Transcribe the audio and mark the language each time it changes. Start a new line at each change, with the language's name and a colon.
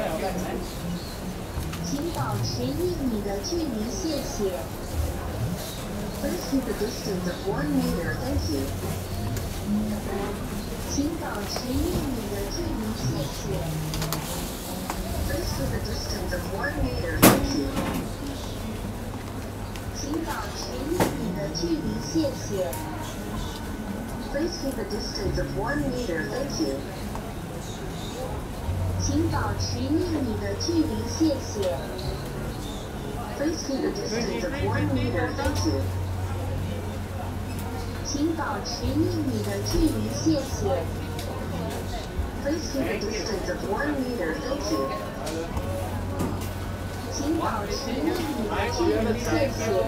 Chinese: 请保持一米的距离，谢谢。
English: Please keep a distance of 1 meter, thank you.
Chinese: 请保持一米的距离，谢谢。
English: Please keep a distance of 1 meter, thank you.
Chinese: 请保持一米的距离，谢谢。
English: Please keep a distance of 1 meter, thank you.
Chinese: 请保持一米的距离，谢谢。
English: Please keep a distance of 1 meter, thank you.
Chinese: 请保持一米的距离，谢谢。
English: Please keep a distance of 1 meter, thank you.
Chinese: 请保持一米的距离，谢谢。